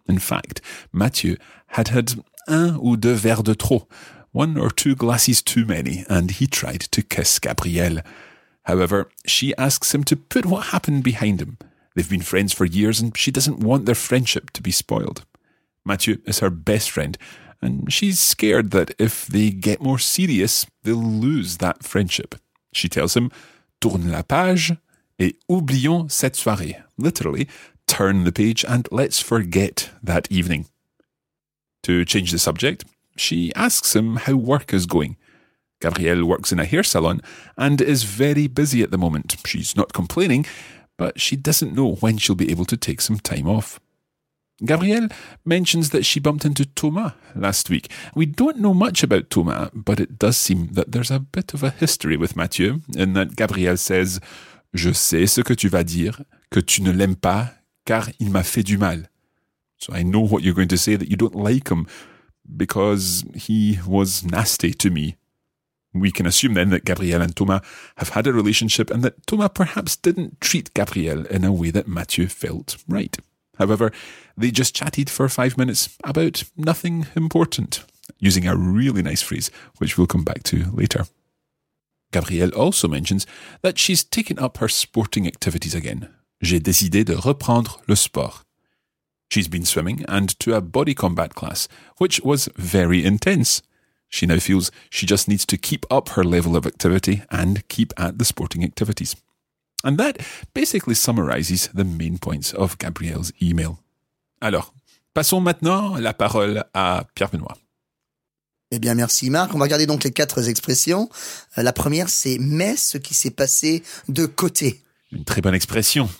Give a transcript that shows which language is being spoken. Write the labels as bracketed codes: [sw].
[en] In fact, Matthew had had [fr] un ou deux verres de trop, [en] one or two glasses too many, and he tried to kiss Gabrielle. However, she asks him to put what happened behind him. They've been friends for years and she doesn't want their friendship to be spoiled. Matthew is her best friend, and she's scared that if they get more serious, they'll lose that friendship. She tells him, [fr] tourne la page et oublions cette soirée. [en] Literally, turn the page and let's forget that evening. To change the subject, she asks him how work is going. Gabrielle works in a hair salon and is very busy at the moment. She's not complaining, but she doesn't know when she'll be able to take some time off. Gabrielle mentions that she bumped into Thomas last week. We don't know much about Thomas, but it does seem that there's a bit of a history with Mathieu, in that Gabrielle says, [fr] je sais ce que tu vas dire, que tu ne l'aimes pas, car il m'a fait du mal. [en] So I know what you're going to say, that you don't like him, because he was nasty to me. We can assume then that Gabrielle and Thomas have had a relationship and that Thomas perhaps didn't treat Gabrielle in a way that Mathieu felt right. However, they just chatted for 5 minutes about nothing important, using a really nice phrase, which we'll come back to later. Gabrielle also mentions that she's taken up her sporting activities again. [fr] J'ai décidé de reprendre le sport. [en] She's been swimming and to a body combat class, which was very intense. She now feels she just needs to keep up her level of activity and keep at the sporting activities. And that basically summarizes the main points of Gabrielle's email. [fr] Alors, passons maintenant la parole à Pierre Benoît. Eh bien, merci Marc. On va regarder donc les quatre expressions. La première, c'est « mais ce qui s'est passé de côté ». Une très bonne expression.